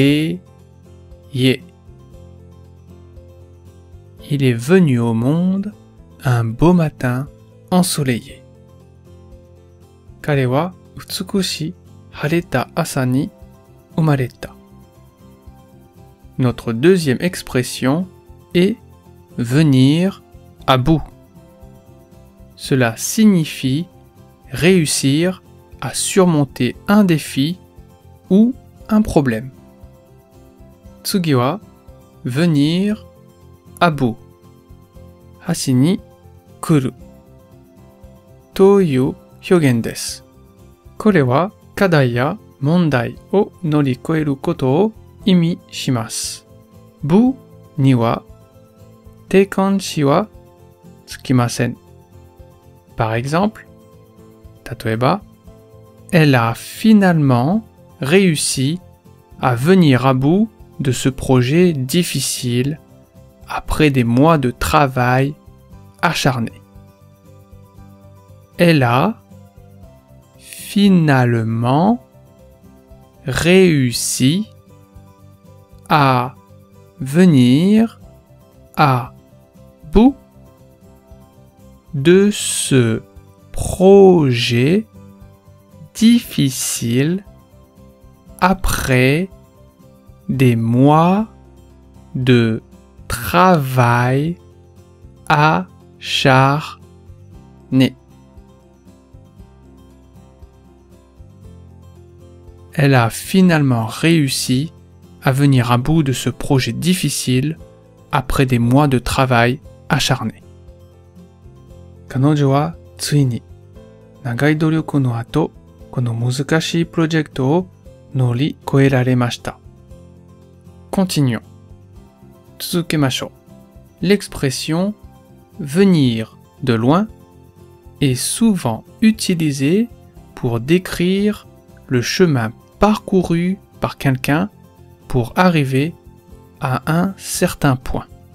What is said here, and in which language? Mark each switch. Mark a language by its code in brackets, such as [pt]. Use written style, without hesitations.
[fr] Ensoleillé. Il est venu au monde un beau matin ensoleillé. [ja] 彼は美しい晴れた朝に生まれた。 [fr] Notre deuxième expression est venir à bout. Cela signifie réussir à surmonter un défi ou un problème. [ja] 次は [fr] venir à bout. [ja] 端に来るという表現です。これは課題や問題を乗り越えることを意味します。 bout には定冠詞はつきません。 [fr] Par exemple, [ja] 例えば、 [fr] Elle a finalement réussi à venir à bout de ce projet difficile après des mois de travail acharné. Elle a finalement réussi à venir à bout de ce projet difficile après des mois de travail acharné. Elle a finalement réussi à venir à bout de ce projet difficile après des mois de travail acharné. [ja] Kanojo wa ついに長い努力の後、この難しいプロジェクトを乗り越えられました。 [fr] Continuons. [ja] tsukemasho. [fr] L'expression « venir de loin » est souvent utilisée pour décrire le chemin parcouru par quelqu'un pour arriver à un certain point.